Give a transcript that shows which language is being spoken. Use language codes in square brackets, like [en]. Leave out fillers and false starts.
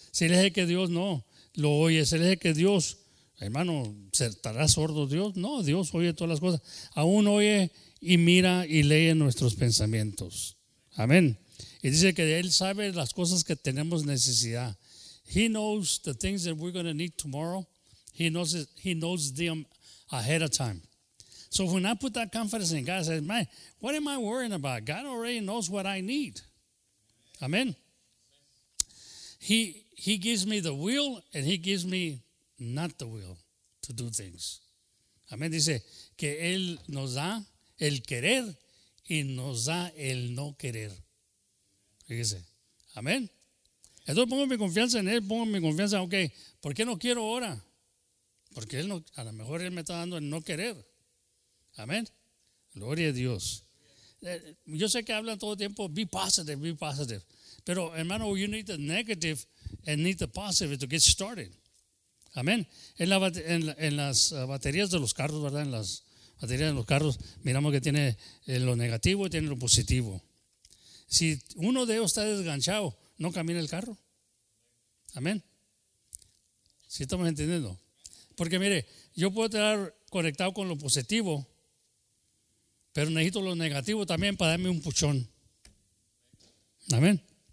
[es] Si le dice que Dios no lo oye, si le dice que Dios, hermano, ¿estará sordo Dios? No, Dios oye todas las cosas. Aún oye y mira y lee nuestros pensamientos. Amén. Y dice que Él sabe las cosas que tenemos necesidad. [en] He knows the things that we're going to need tomorrow. He knows them ahead of time. So when I put that confidence in God, I said, man, what am I worrying about? God already knows what I need. Amen. He gives me the will, and He gives me not the will to do things. [es] Amén. Dice que Él nos da el querer y nos da el no querer. Fíjese. Amén. Entonces pongo mi confianza en Él, pongo mi confianza, ok, ¿por qué no quiero ahora? Porque Él no, a lo mejor Él me está dando el no querer. Amén. Gloria a Dios. Yo sé que hablan todo el tiempo, [en] be positive. [es] Pero, hermano, [en] you need the negative and need the positive to get started. [es] Amén. En las baterías de los carros, ¿verdad? En las baterías de los carros, miramos que tiene lo negativo y tiene lo positivo. Si uno de ellos está desganchado, no camina el carro. Amén. ¿Sí estamos entendiendo? Porque, mire, yo puedo estar conectado con lo positivo, pero necesito lo negativo también para darme un puchón. Amén.